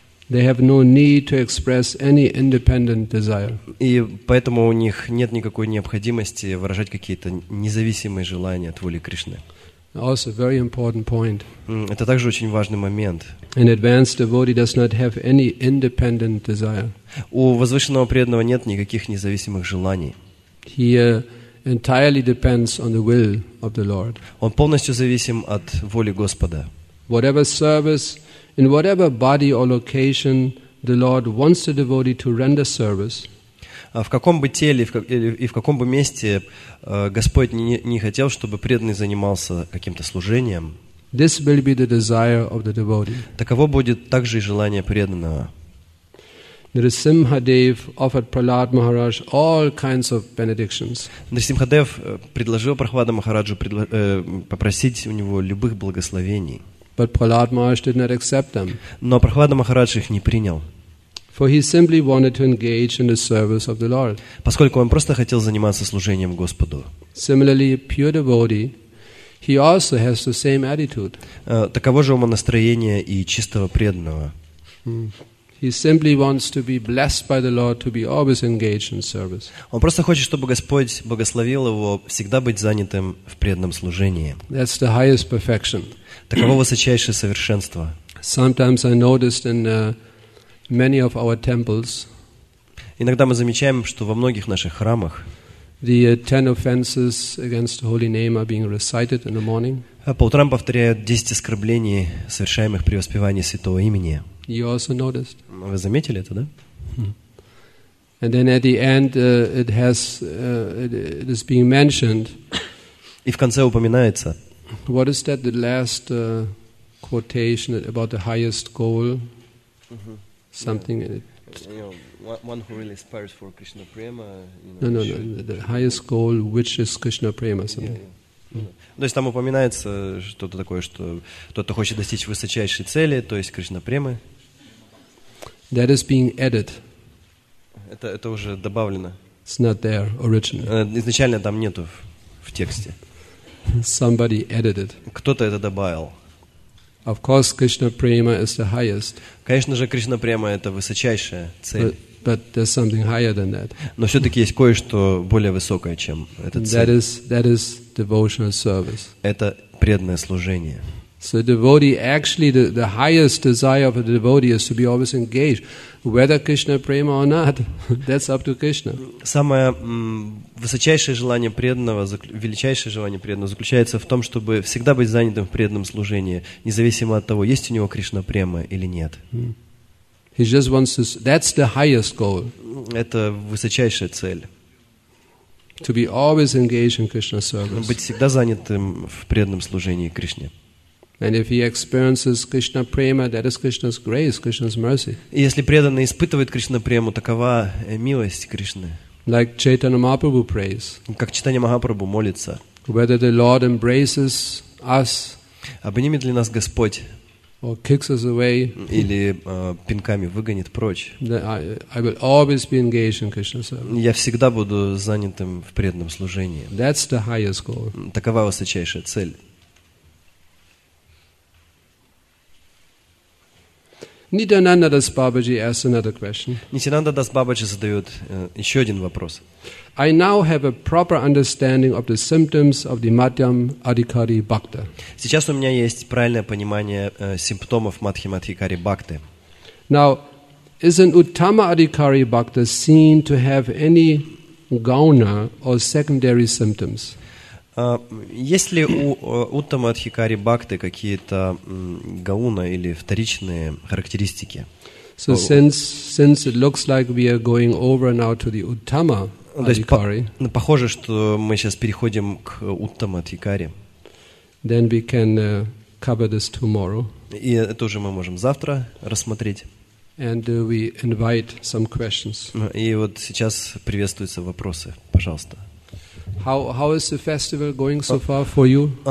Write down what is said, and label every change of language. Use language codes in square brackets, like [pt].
[en] They have no need to express any independent desire. [ru] И поэтому у них нет никакой необходимости выражать какие-то независимые желания от воли Кришны. [en] Also very important point. [ru] Это также очень важный момент. [en] An advanced devotee does not have any independent desire. [ru] У возвышенного преданного нет никаких независимых желаний. [en] He entirely depends on the will of the Lord. [ru] Он полностью зависим от воли Господа. [en] Whatever service, in whatever body or location, the Lord wants the devotee to render service. [ru] В каком бы теле и в каком бы месте Господь не хотел, чтобы преданный занимался каким-то служением, [en] this will be the desire of the devotee. [ru] Таково будет также и желание преданного. [en] Нарисимхадев offered Prahlad Maharaj all kinds of benedictions. [ru] Нарисимхадев предложил Прахлада Махараджу попросить у него любых благословений. [en] But Prahlad Maharaj did not accept them. [ru] Но Прахлада Махарадж их не принял. [en] For he simply wanted to engage in the service of the Lord. [ru] Поскольку он просто хотел заниматься служением Господу. [en] Similarly, a pure devotee, he also has the same attitude. [ru] Таково же умонастроение и чистого преданного. [en] He simply wants to be blessed by the Lord to be always engaged in service. [ru] Он просто хочет, чтобы Господь благословил его всегда быть занятым в преданном служении. [en] That's the highest perfection. [ru] Таково высочайшее совершенство. [en] Sometimes I noticed in many of our temples. [ru] Иногда мы замечаем, что во многих наших храмах [en] the 10 offenses against the holy name are being recited in the morning. [ru] По утрам повторяют 10 оскорблений, совершаемых при воспевании святого имени. [en] You also noticed. [ru] Вы заметили это, да? [en] And then at the end it is being mentioned. [ru] И в конце упоминается. [en] What is that, the last quotation about the highest goal? Something. One who really aspires for Krishna prema. The highest goal, which is Krishna prema, something. [ru] То есть там упоминается что-то такое, что кто-то хочет достичь высочайшей цели, то есть Кришна премы. [en] That is being added. [ru] Это уже добавлено. [en] It's not there originally. [ru] Изначально там нету в тексте. [en] Somebody added it. [ru] Кто-то это добавил. [en] Of course, Krishna prema is the highest. [ru] Конечно же, Кришна према это высочайшая цель. [en] But there's something higher than that. [ru] Но все-таки есть кое-что более высокое, чем эта цель. [en] That is devotional service. [ru] Это преданное служение. [en] So devotee actually the highest desire of a devotee is to be always engaged, whether Krishna prema or not. That's up to Krishna. [ru] Самое высочайшее желание преданного, величайшее желание преданного заключается в том, чтобы всегда быть занятым в преданном служении, независимо от того, есть у него Кришна према или нет. [en] He just wants to. That's the highest goal. [ru] Это высочайшая цель. [en] To be always engaged in Krishna service. [ru] Быть всегда занятым в преданном служении Кришне. [en] And if he experiences Krishna prema, that is Krishna's grace, Krishna's mercy. [ru] И если преданный испытывает Кришна прему, такова милость Кришны. [en] Like Chaitanya Mahaprabhu prays. [ru] Как Чайтанья Махапрабху молится. [en] Whether the Lord embraces us. [ru] Обнимет ли нас Господь? [en] Or kicks us away. [ru] Или пинками выгонит прочь. [en] I will always be engaged in Krishna service. [ru] Я всегда буду занятым в преданном служении. [en] That's the highest goal. [ru] Такова высочайшая цель. Nityananda Das Babaji задает еще один вопрос. [en] I now have a proper understanding of the symptoms of the Madhyam Adhikari Bhakta. [ru] Сейчас у меня есть правильное понимание симптомов Мадхьям Адхикари Бхакты. [en] Now, is an Uttama Adhikari Bhakta seen to have any gauna or secondary symptoms? [ru] Есть ли у Уттама Адхикари Бхакты какие-то гауна или вторичные характеристики? [en] So since it looks like we are going over now to the Uttama Adhikari. [ru] Похоже, что мы сейчас переходим к Уттама Адхикари. [en] Then we can cover this tomorrow. [ru] И это уже мы можем завтра рассмотреть. [en] And we invite some questions. [ru] И вот сейчас приветствуются вопросы, пожалуйста. [en] How is the festival going so far for you?